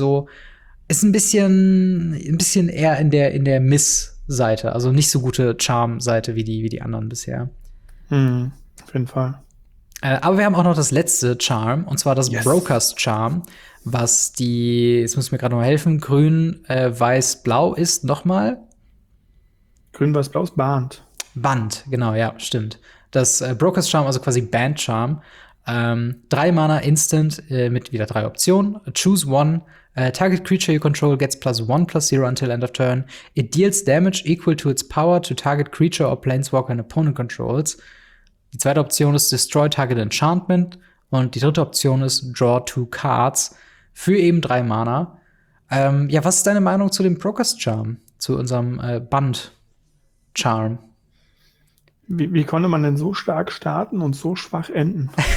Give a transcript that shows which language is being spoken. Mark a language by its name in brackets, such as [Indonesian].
[German] So ist ein bisschen eher in der Miss-Seite, also nicht so gute Charm-Seite wie die anderen bisher. Auf jeden Fall. Aber wir haben auch noch das letzte Charm, und zwar das, yes, Broker's Charm, was die, jetzt muss ich mir gerade noch helfen, grün, weiß, blau ist, nochmal. Grün, weiß, blau ist Band. Band, genau, ja, stimmt. Das Broker's Charm, also quasi Band Charm. 3 Mana instant mit wieder 3 Optionen. [English] Choose one. Target creature you control gets +1/+0 until end of turn. It deals damage equal to its power to target creature or planeswalker an opponent controls. [German] Die 2. Option ist [English] Destroy Target Enchantment. [German] Und die 3. Option ist [English] Draw 2 Cards [German] für eben 3 Mana. Ja, was ist deine Meinung zu dem Broker's Charm? Zu unserem Band-Charm? Wie konnte man denn so stark starten und so schwach enden?